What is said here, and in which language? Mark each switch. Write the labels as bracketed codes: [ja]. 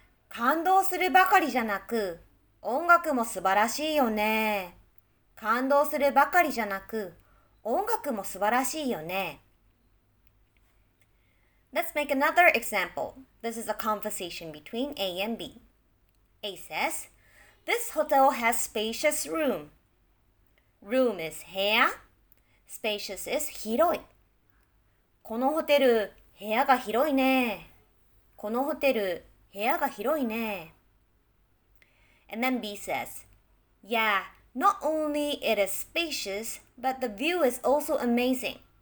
[ja] 感動するばかりじゃなく、音楽も素晴らしいよね。感動するばかりじゃなく、音楽も素晴らしいよね。 [en] Let's make another example. This is a conversation between A and B. A says, This hotel has spacious room. Room is 部屋。 Spacious is 広い。 [ja] このホテル、部屋が広いね。このホテル、部屋が広いね。 [en] And then B says, Yeah, not only it is spacious, but the view is also amazing.